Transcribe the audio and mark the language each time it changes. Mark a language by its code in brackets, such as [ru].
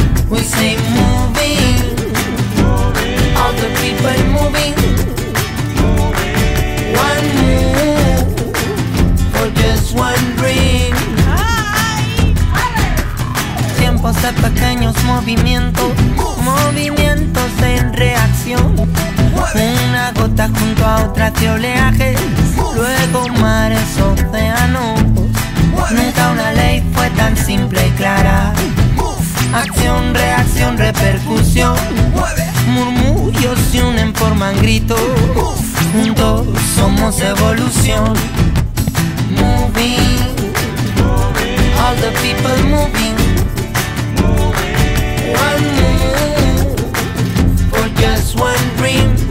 [en] We say moving, all the people moving. One move for just one dream. [es] Tiempos de pequeños movimientos, movimientos en reacción. Una gota junto a otra de oleaje, luego mares, océanos. Nunca una ley fue tan simple y clara. Acción, reacción, repercusión. Murmullos se unen, forman gritos. Juntos somos evolución. [en] Moving, all the people moving. One move for just one dream.